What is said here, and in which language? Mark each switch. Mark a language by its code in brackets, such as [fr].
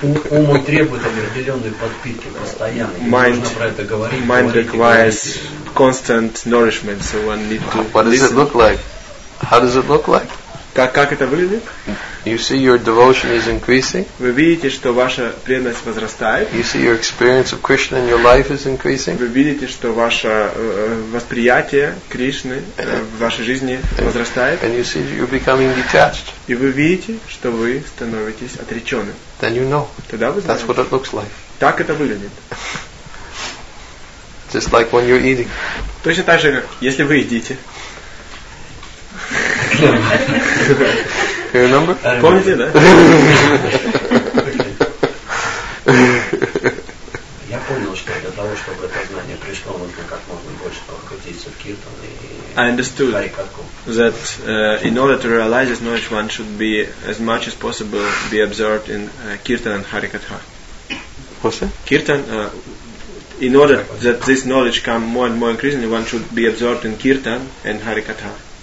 [ru] Ум требует определенной подпитки постоянно. [en] Mind, [ru] нужно про это говорить. [en] Mind requires constant nourishment, so one need to. What does listen. It look like? How does it look like? [ru] Как это выглядит? [en] You see your devotion is increasing. [ru] Вы видите, что ваша преданность возрастает. [en] You see your experience of Krishna in your life is increasing. [ru] Вы видите, что ваше восприятие Кришны в вашей жизни возрастает. [en] And you see you're becoming detached. [ru] И вы видите, что вы становитесь отреченным. [en] Then you know. [ru] Тогда вы [en] знаете. That's what it looks like. [ru] Так это выглядит. [en] Just like when you're eating. [ru] Точно так же, как если вы едите. [en] You remember? [ru] Помните, да? Я понял, что этот того, чтобы это знание пришло, нужно как можно больше погрузиться в киртан и [en] I understood that in order to realize this knowledge, one should be as much as possible be absorbed in kirtan and harikatha. What's that? Kirtan. In order that this knowledge come more and more increasingly, one should be absorbed in kirtan and harikatha.